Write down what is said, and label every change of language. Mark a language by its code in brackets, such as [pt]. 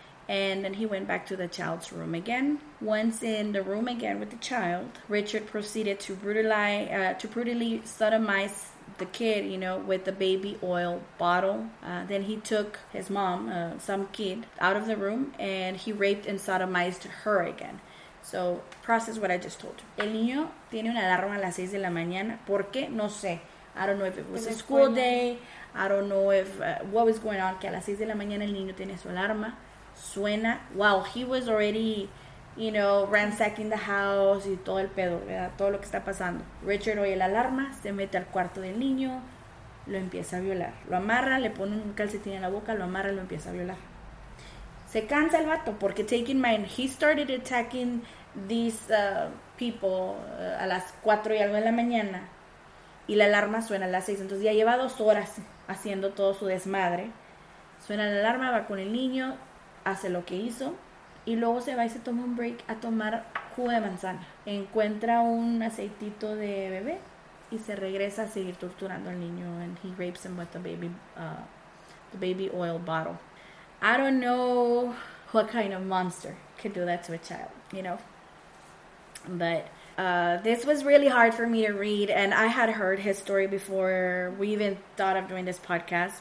[en] And then he went back to the child's room again. Once in the room again with the child, Richard proceeded to brutally sodomize the kid, you know, with the baby oil bottle. Then he took his mom, some kid, out of the room, and he raped and sodomized her again. So, process what I just told you. [es] El niño tiene una alarma a las 6 de la mañana. ¿Por qué? No sé. [en] I don't know if it was a school day. I don't know if what was going on. [es] Que a las 6 de la mañana el niño tiene su alarma. Suena. [en] Wow, he was already, you know, ransacking the house y todo el pedo, ¿verdad? Todo lo que está pasando. [es] Richard oye la alarma, se mete al cuarto del niño, lo empieza a violar. Lo amarra, le pone un calcetín en la boca, lo amarra, lo empieza a violar. Se cansa el vato porque, [en] take in mind, he started attacking these people [es] a las 4 y algo de la mañana y la alarma suena a las 6. Entonces ya lleva 2 horas haciendo todo su desmadre. Suena la alarma, va con el niño, hace lo que hizo y luego se va y se toma un break a tomar jugo de manzana. Encuentra un aceitito de bebé y se regresa a seguir torturando al niño. [en] And he rapes him with the baby oil bottle. I don't know what kind of monster could do that to a child, you know. But this was really hard for me to read. And I had heard his story before we even thought of doing this podcast.